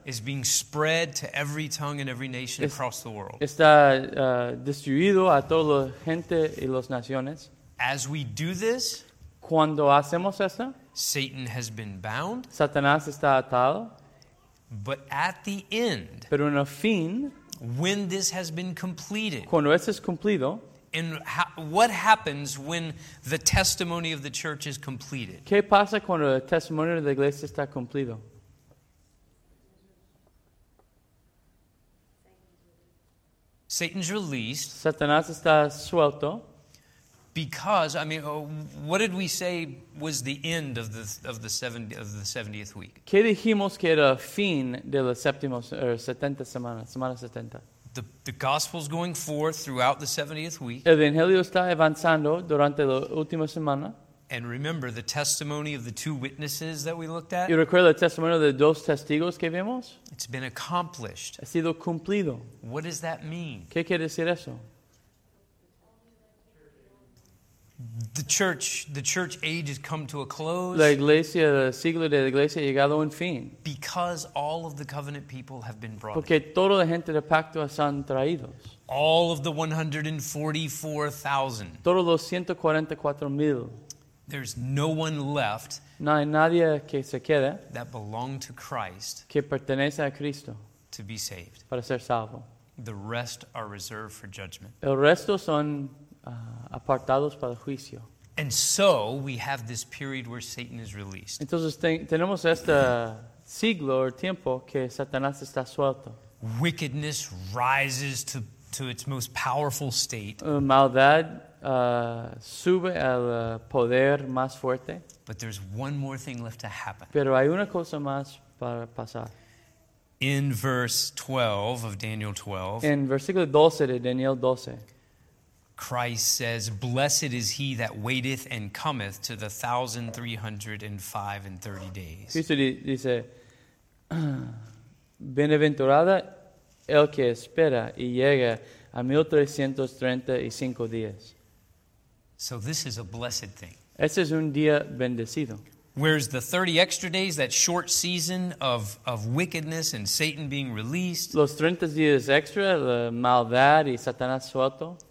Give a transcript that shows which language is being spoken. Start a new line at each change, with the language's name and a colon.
English: is being spread to every tongue and every nation across the world.
Spanish: Está distribuido a toda la gente y las naciones.
English: As we do this,
Spanish: cuando hacemos esto,
English: Satan has been bound.
Spanish: Satanás está atado.
English: But at the end,
Spanish: pero en el fin,
English: when this has been completed,
Spanish: cuando esto es cumplido,
English: and what happens when the testimony of the church is completed?
Spanish: ¿Qué pasa cuando el testimonio de la iglesia está cumplido?
English: Satan's released.
Spanish: Satanás está suelto.
English: Because, I mean, what did we say was the end of the 70th week?
Spanish: ¿Qué dijimos que era fin de la séptima, or 70 semana, semana 70?
English: The gospel's going forth throughout the 70th week.
Spanish: El evangelio está avanzando durante la última semana.
English: And remember the testimony of the two witnesses that we looked at?
Spanish: ¿Y recuerda el testimonio de dos testigos que vimos?
English: It's been accomplished.
Spanish: Ha sido cumplido.
English: What does that mean?
Spanish: ¿Qué quiere decir eso?
English: The church age has come to a close.
Spanish: La iglesia, el siglo de la iglesia ha llegado a un fin.
English: Because all of the covenant people have been brought.
Spanish: Porque toda la gente del pacto son traídos.
English: All of the 144,000.
Spanish: Todos los 144,000.
English: There's no one left.
Spanish: No hay nadie que se quede.
English: That belong to Christ.
Spanish: Que pertenece a Cristo.
English: To be saved.
Spanish: Para ser salvo.
English: The rest are reserved for judgment.
Spanish: El resto son apartados para el juicio.
English: And so we have this period where Satan is released.
Spanish: Entonces tenemos este siglo o tiempo que Satanás está suelto.
English: Wickedness rises to its most powerful state.
Spanish: Maldad sube al poder más fuerte.
English: But there's one more thing left to happen.
Spanish: Pero hay una cosa más para pasar.
English: In verse 12 of Daniel 12.
Spanish: En versículo 12 de Daniel 12.
English: Christ says, blessed is he that waiteth and cometh to the 1,305 days.
Spanish: Cristo dice, bienaventurada el que espera y llega a 1,335 días.
English: So this is a blessed thing.
Spanish: Este es un día bendecido.
English: Where's the 30 extra days, that short season of wickedness and Satan being released?
Spanish: Los 30 días extra, la maldad y Satanás suelto.